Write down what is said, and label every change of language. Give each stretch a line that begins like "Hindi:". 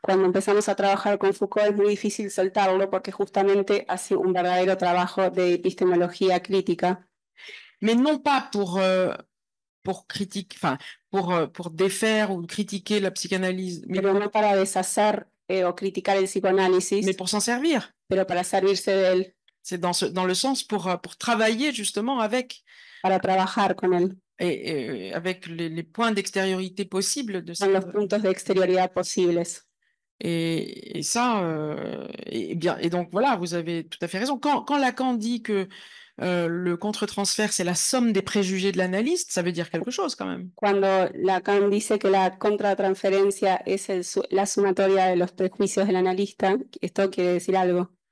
Spanish: Cuando empezamos a trabajar con Foucault es muy difícil soltarlo porque justamente hace un verdadero trabajo de epistemología crítica.
French: Mais non pas pour critiquer, enfin pour défaire ou critiquer la psychanalyse. Mais
Spanish: pero no para deshacer o criticar el psicoanálisis.
French: Mais pour s'en servir.
Spanish: Pero para servirse de él.
French: C'est dans le sens pour travailler justement avec
Spanish: para trabajar con él.
French: Et avec les points d'extériorité possibles de
Spanish: con los puntos de exterioridad posibles.
French: Et ça et bien et donc voilà, vous avez tout à fait raison. Quand Lacan dit que le contre-transfert c'est la somme des préjugés de l'analyste, ça veut dire quelque chose quand même.
Spanish: Cuando Lacan dice que la contratransferencia es la sumatoria de los prejuicios del analista, esto quiere decir algo.